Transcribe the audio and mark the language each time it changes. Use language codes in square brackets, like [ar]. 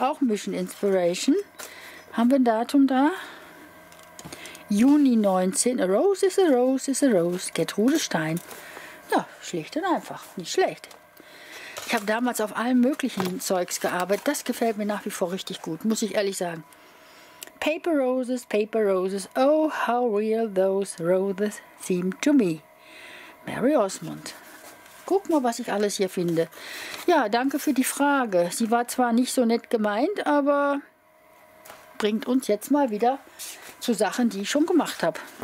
[de] Auch Mission Inspiration. Haben wir ein Datum da? Juni 19, [en] a rose is a rose [de] is a rose, Gertrude Stein. Ja, schlicht und einfach, nicht schlecht. Ich habe damals auf allem möglichen Zeugs gearbeitet. Das gefällt mir nach wie vor richtig gut, muss ich ehrlich sagen. [en] Paper roses, oh, how real those roses seem to me. Mary Osmond. [de] Guck mal, was ich alles hier finde. Ja, danke für die Frage. Sie war zwar nicht so nett gemeint, aber bringt uns jetzt mal wieder zu Sachen, die ich schon gemacht habe.